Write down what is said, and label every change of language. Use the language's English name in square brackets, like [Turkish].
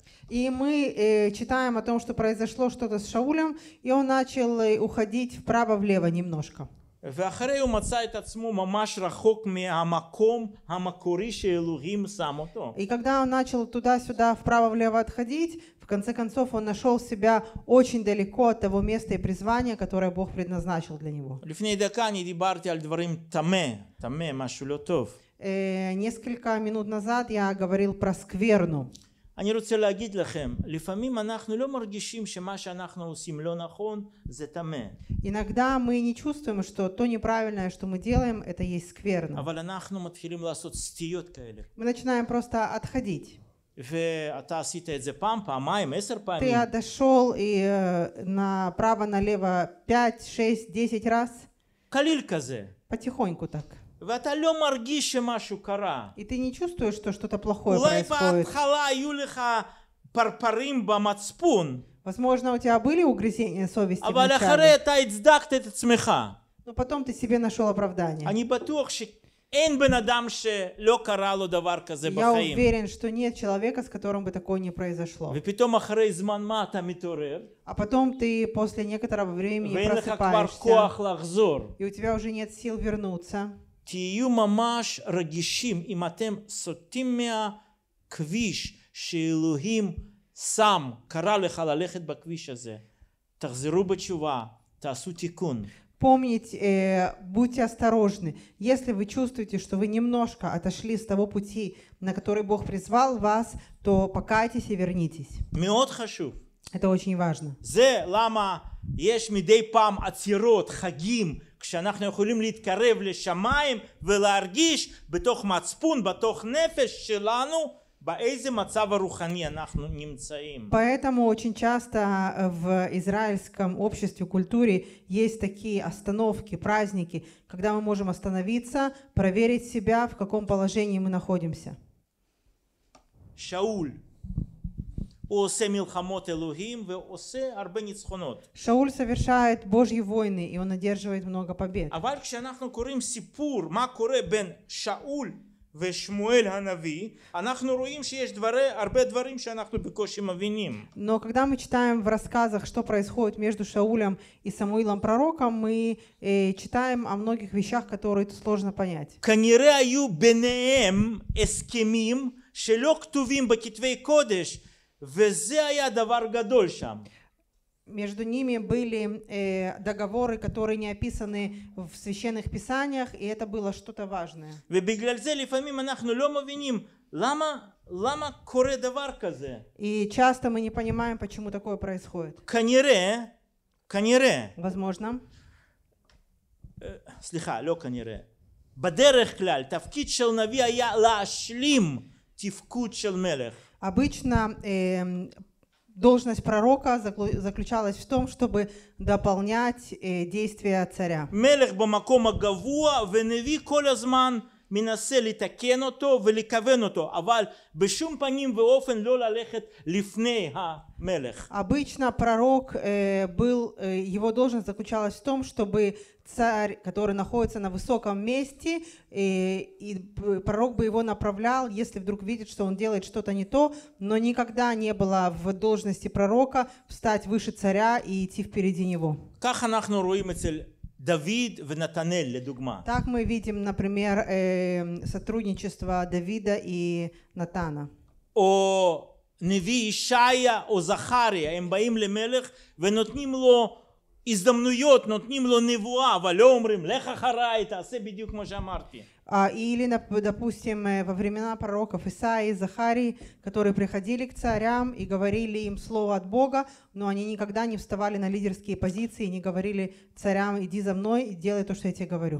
[Russian] И мы читаем о том, что произошло что-то с Шаулем, и он начал уходить вправо-влево немножко. [Hebrew] ואחרי הוא מצא את עצמו ממש רחוק מהמקום המקורי שאלוהים שם אותו. [Russian] И когда он начал туда-сюда вправо-влево отходить, в конце концов он нашел себя очень далеко от того места и призвания, которое Бог предназначил для него. [Hebrew] לפני דקה אני דיברתי על דברים תמה, משהו לא טוב. [Russian] Несколько минут назад я говорил про скверну. [Hebrew] אני רוצה להגיד לכם, לפעמים אנחנו לא מרגישים שמה שאנחנו עושים לא נכון, זה תמה. [Russian] Иногда мы не чувствуем, что то неправильное, что мы делаем, это есть скверно. [Hebrew] אבל אנחנו מתחילים לעשות סטיות כאלה. [Russian] Мы начинаем просто отходить. [Hebrew] ואתה עשית את זה פעם, פעמיים, עשר פעמים. [Russian] Ты отошел и направо-налево 5, 6, 10 раз. [Hebrew] קליל כזה. [Russian] Потихоньку так. [Hebrew] ואתה לא מרגיש שמשהו קרה. [Russian] И ты не чувствуешь, что что-то плохое происходит. [Hebrew] אולי בהתחלה היו לך פרפרים במצפון. [Russian] Возможно, у тебя были угрызения совести. [Hebrew] אבל אחרי אתה הצדקת את עצמך. [Russian] Но потом ты себе нашел оправдание. [Hebrew] אני בטוח שאין בן אדם שלא קרה לו דבר כזה בחיים. [Russian] Я уверен, что нет человека, с которым бы такое не произошло. [Hebrew] ופתאום אחרי זמן מה אתה מתעורר. [Russian] А потом ты после некоторого времени просыпаешься. [Hebrew] ואין לך כבר כוח לחזור. [Russian] И у тебя уже нет сил вернуться. [Hebrew] תהיו ממש רגישים אם אתם סוטים מהכביש שאלוהים שם, קרא לך ללכת בכביש הזה. תחזרו בתשובה, תעשו תיקון. [Russian] Помнить, будьте осторожны. Если вы чувствуете, что вы немножко отошли с того пути, на который Бог призвал вас, то покайтесь и вернитесь. [Hebrew] מאוד חשוב. [Russian] Это очень важно. [Hebrew] זה למה יש מדי פעם עצירות, חגים, כשאנחנו יכולים להתקרב לשמיים ולהרגיש בתוך מצפון, בתוך נפש שלנו, באיזה מצב רוחני אנחנו נמצאים. [Russian] Поэтому очень часто в израильском обществе, культуре есть такие остановки, праздники, когда мы можем остановиться, проверить себя, в каком положении мы находимся. Шауль. [Hebrew] הוא עושה מלחמות אלוהים ועושה הרבה ניצחונות. [Russian] שאול совершает Божьи войны, и он одерживает много побед. [Hebrew] אבל כשאנחנו קוראים סיפור, מה קורה בין שאול ושמואל הנביא, אנחנו רואים שיש הרבה דברים שאנחנו בקושי מבינים. [Russian] Но когда мы читаем в рассказах, что происходит между Шаулем и Самуилом пророком, мы читаем о многих вещах, которые сложно понять. [Hebrew] כנראה היו ביניהם הסכמים שלא כתובים בכתבי קודש, וזה היה דבר גדול שם. [Russian] Между ними были договоры, которые не описаны в священных писаниях, и это было что-то важное. [Hebrew] ובגלל זה לפעמים אנחנו לא מבינים למה קורה דבר כזה. [Russian] И часто мы не понимаем, почему такое происходит. [Hebrew] כנראה. [Russian] Возможно. [Hebrew] סליחה, לא כנראה. בדרך כלל, תפקיד של נביא היה להשלים תפקוד של מלך. [Russian] Обычно должность пророка заключалась в том, чтобы дополнять действия царя. [Hebrew] Мелех במקום הגבוה, ונביא כל הזמן מנסה לתקן אותו ולכוון אותו, אבל בשום פנים ואופן לא ללכת לפני המלך. [Russian] Обычно пророк был, его должность заключалась в том, чтобы царь, который находится на высоком месте, и пророк бы его направлял, если вдруг видит, что он делает что-то не то, но никогда не было в должности пророка встать выше царя и идти впереди него. Как [Hebrew] אנחנו רואים אצל דוד ונתנאל, לדוגמה. [Russian] Так мы видим, например, сотрудничество Давида и Натана. [Hebrew] О נביא ישעיה או זכריה, הם באים למלך ונותנים לו הזדמנויות, נותנים לו נבואה, אבל לא אומרים, לך אחריי, תעשה בדיוק כמו שאמרתי. [Russian] Или, допустим, во времена пророков Исаии, Захарии, которые приходили к царям и говорили им слово от Бога, но они никогда не вставали на лидерские позиции и не говорили царям, иди за мной и делай то, что я тебе говорю.